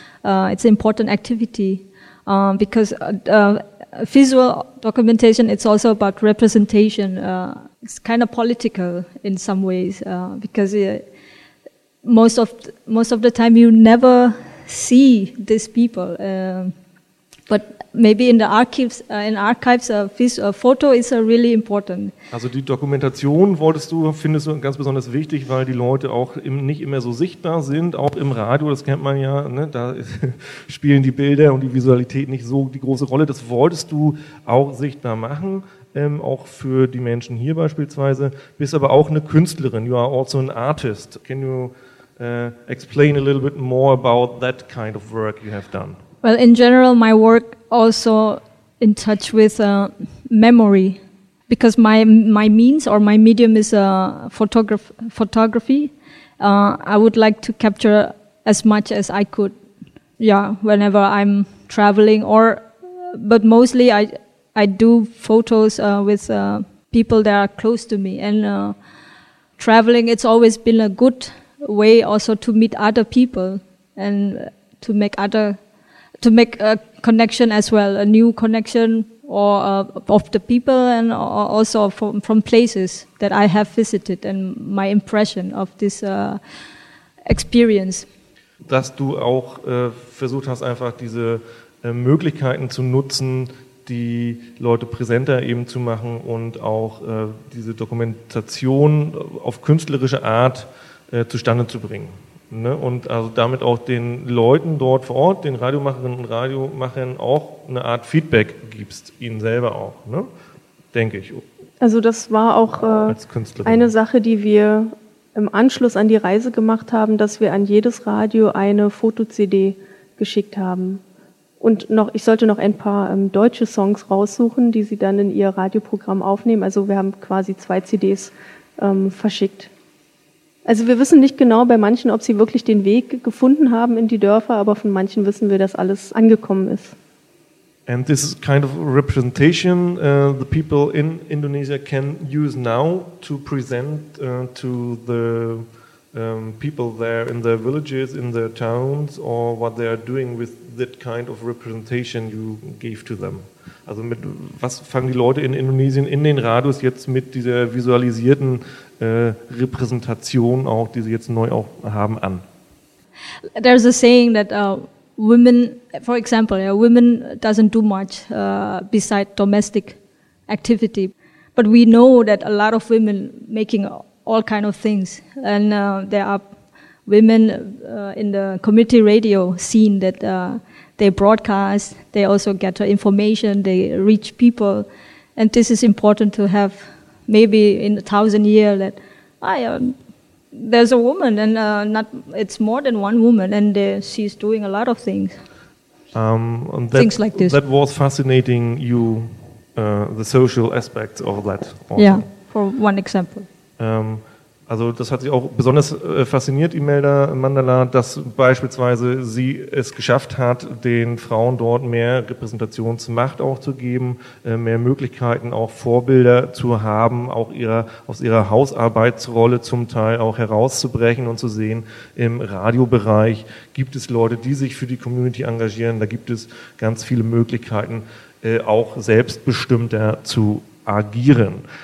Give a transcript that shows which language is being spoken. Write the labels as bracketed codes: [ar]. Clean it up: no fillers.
[en] It's an important activity because visual documentation, it's also about representation. It's kind of political in some ways because most of the time you never see these people. But maybe in the archives, photo is really important. [de] Also die Dokumentation findest du ganz besonders wichtig, weil die Leute auch nicht immer so sichtbar sind, auch im Radio, das kennt man ja, ne? Da spielen die Bilder und die Visualität nicht so die große Rolle. Das wolltest du auch sichtbar machen, auch für die Menschen hier beispielsweise. Bist aber auch eine Künstlerin, [en] you are also an artist. Can you explain a little bit more about that kind of work you have done? Well, in general, my work also in touch with memory, because my means or my medium is photography. I would like to capture as much as I could, yeah, whenever I'm traveling but mostly I do photos with people that are close to me. And traveling, it's always been a good way also to meet other people and to make other to make a connection as well, a new connection or of the people and also from places that I have visited and my impression of this experience. [de] Dass du auch versucht hast, einfach diese Möglichkeiten zu nutzen, die Leute präsenter eben zu machen und auch diese Dokumentation auf künstlerische Art zustande zu bringen. Ne, und also damit auch den Leuten dort vor Ort, den Radiomacherinnen und Radiomachern auch eine Art Feedback gibst, ihnen selber auch, ne? Denke ich. Also das war auch eine Sache, die wir im Anschluss an die Reise gemacht haben, dass wir an jedes Radio eine Foto-CD geschickt haben. Und noch, ich sollte noch ein paar deutsche Songs raussuchen, die sie dann in ihr Radioprogramm aufnehmen. Also wir haben quasi zwei CDs verschickt. Also wir wissen nicht genau bei manchen, ob sie wirklich den Weg gefunden haben in die Dörfer, aber von manchen wissen wir, dass alles angekommen ist. [en] And this is kind of representation the people in Indonesia can use now to present to the people there in their villages, in their towns, or what they are doing with that kind of representation you gave to them. [de] Also mit was fangen die Leute in Indonesien in den Radios jetzt mit dieser visualisierten Repräsentation auch, die sie jetzt neu auch haben, an? [en] There's a saying that women, for example, yeah, women doesn't do much beside domestic activity, but we know that a lot of women making all kind of things, and there are women in the community radio scene that they broadcast, they also get information, they reach people, and this is important to have. Maybe in 1,000 years, that there's a woman, and it's more than one woman, and she's doing a lot of things. And that, things like this. That was fascinating you, the social aspect of that. Also. Yeah, for one example. [de] Also das hat sich auch besonders fasziniert, Imelda Mandala, dass beispielsweise sie es geschafft hat, den Frauen dort mehr Repräsentationsmacht auch zu geben, mehr Möglichkeiten auch Vorbilder zu haben, auch aus ihrer Hausarbeitsrolle zum Teil auch herauszubrechen und zu sehen, im Radiobereich gibt es Leute, die sich für die Community engagieren, da gibt es ganz viele Möglichkeiten, auch selbstbestimmter zu agieren.